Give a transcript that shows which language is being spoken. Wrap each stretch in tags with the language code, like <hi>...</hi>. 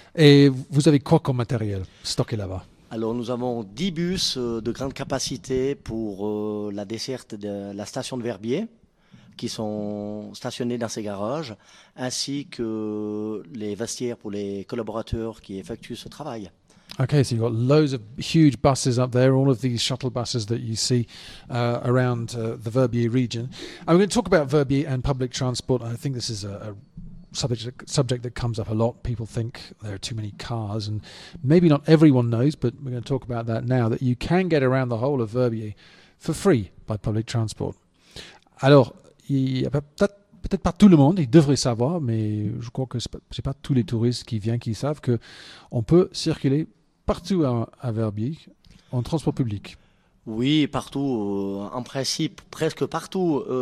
<fr>Et vous avez quoi comme matériel stocké là-bas? Alors, nous avons 10 bus de grande capacité pour la desserte de la station de Verbier, qui sont stationnés dans ces garages, ainsi que les vestiaires pour les collaborateurs qui effectuent ce travail.</fr> <en>Okay, so you've got loads of huge buses up there, all of these shuttle buses that you see around the Verbier region. I'm going to talk about Verbier and public transport. I think this is a subject that comes up a lot. People think there are too many cars, and maybe not everyone knows, but we're going to talk about that now, that you can get around the whole of Verbier for free by public transport.</en> <fr>Alors, il y a peut-être pas tout le monde, il devrait savoir, mais je crois que c'est pas tous les touristes qui viennent qui savent que on peut circuler partout à Verbier, en transport public. Oui, partout, en principe, presque partout.</fr>